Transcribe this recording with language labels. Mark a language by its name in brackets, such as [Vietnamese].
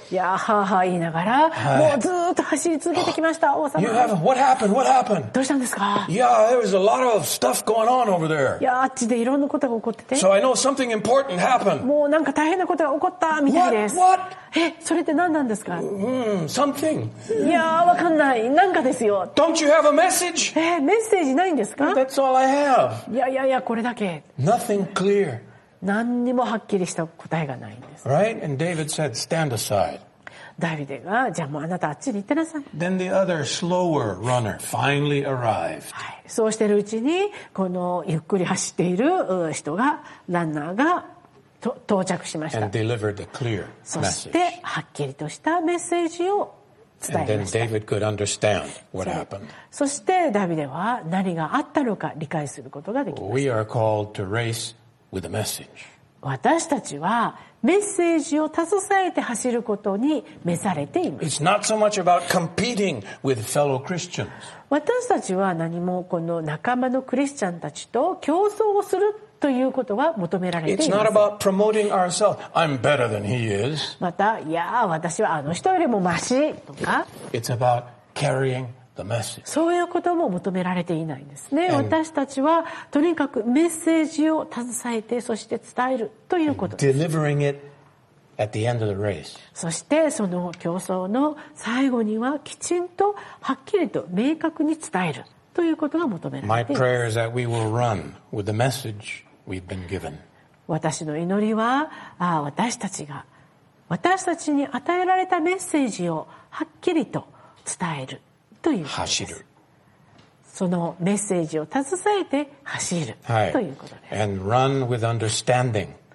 [Japanese] いや、はは、いいな。だからもうずっと走り続けてきました王様。 [English] You have, what happened? What happened? [Japanese] どうしたんですか [English] Yeah, there was a lot of stuff going on over there. [Japanese] いやあっちでいろんなことが起こってて。 [English] So I know something important happened. [Japanese] もうなんか大変なことが起こったみたいです。 [English] What? [Japanese] え、それって何なんですか [English] Something. [Japanese] いやわかんない。なんかですよ。 [English] Don't you have a message? [Japanese] メッセージないんですか [English] That's all I have. [Japanese] いやいやいや、これだけ。 [English] Nothing clear. [Japanese] 何にもはっきりした答えがないんです。 [English] Right? And David said, stand aside. [Japanese] ダビデがじゃあもうあなたあっちに行ってなさい。 [English] Then the other slower runner finally arrived. [Japanese] はい、そうしてるうちにこのゆっくり走っている人がランナーが到着しました。 [English] And delivered a clear message. [Japanese] そしてはっきりとしたメッセージを伝えました。 [English] And then David could understand what happened. [Japanese] そしてダビデは何があったのか理解することができました。 [English] We are called to race with a message. [Japanese] 私たちはメッセージを携えて走ることに召されています。 [English] It's not so much about competing with fellow Christians. [Japanese] 私たちは何もこの仲間のクリスチャンたちと競争をするということは求められています。 [English] It's not about promoting ourselves. I'm better than he is. [Japanese] また、いやあ、私はあの人よりもマシとか。 [English] It's about carrying the message. [Japanese] そういうことも求められていないんですね。And、私たちはとにかくメッセージを携えてそして伝えるということです。 [English] Delivering it at the end of the race. [Japanese] そしてその競争の最後にはきちんとはっきりと明確に伝えるということが求められています。 [English] My prayer is that we will run with the message we've been given. [Japanese] 私の祈りは、私たちに与えられたメッセージをはっきりと伝える。ということです。走る。そのメッセージを携えて走る、はい、ということです。 [English] And run with understanding.